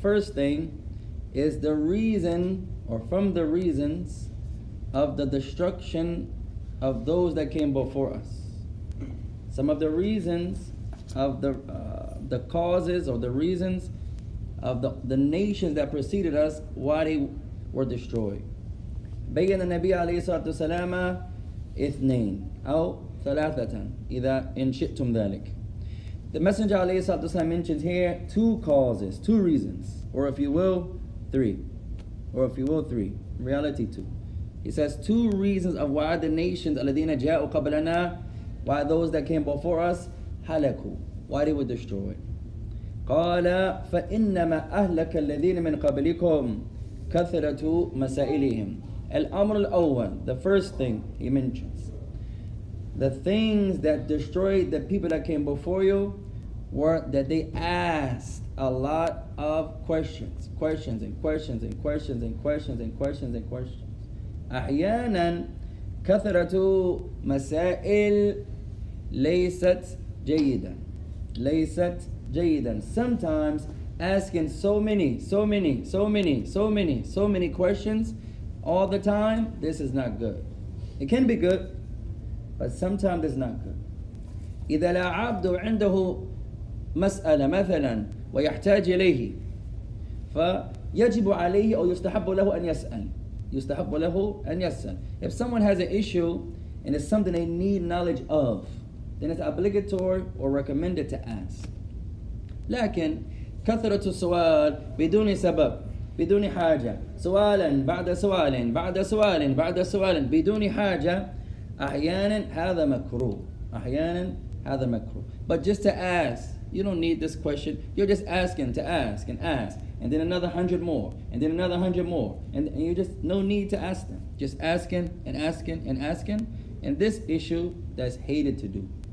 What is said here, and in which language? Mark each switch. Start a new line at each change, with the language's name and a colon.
English: First thing is the reason or from the reasons of the destruction of those that came before us. Some of the reasons of the causes or the reasons of the nations that preceded us, why they were destroyed.
Arabic: بيّن النبي عليه الصلاة والسلام اثنين أو ثلاثة إذا إن شئتم ذلك.
English: The Messenger
Arabic: عليه الصلاة والسلام
English: mentions here two causes, two reasons, or if you will, three. Or if you will, three. In reality, two. He says two reasons of why the nations
Arabic: الذين جاءوا قبلنا,
English: why those that came before us halaku, why they were destroyed.
Arabic: قال فإنما أهلك الذين من قبلكم كثرة مسائلهم. الأمر الأول,
English: the first thing he mentions, the things that destroyed the people that came before you were that they asked a lot of questions, questions and questions and questions and questions and questions and questions.
Arabic: أحيانا كثرة مسائل ليست جيدا, ليست جيدا.
English: Sometimes asking so many questions all the time, this is not good. It can be good, but sometimes it's not good.
Arabic: إذا العبد عنده مسألة مثلا ويحتاج إليه فيجب عليه أو يستحب له أن يسأل. يستحب له أن يسأل.
English: If someone has an issue and it's something they need knowledge of, then it's obligatory or recommended to ask.
Arabic: لكن كثرة السؤال بدون سبب بدون حاجة سؤالا بعد سؤال بعد سؤال بعد سؤال بدون حاجة أحيانا هذا مكروه. أحيانا هذا مكروه.
English: But just to ask, you don't need this question. You're just asking to ask and ask, and then another 100 more, and then another 100 more, and you just no need to ask them. Just asking and asking and asking. And this issue that's hated to do.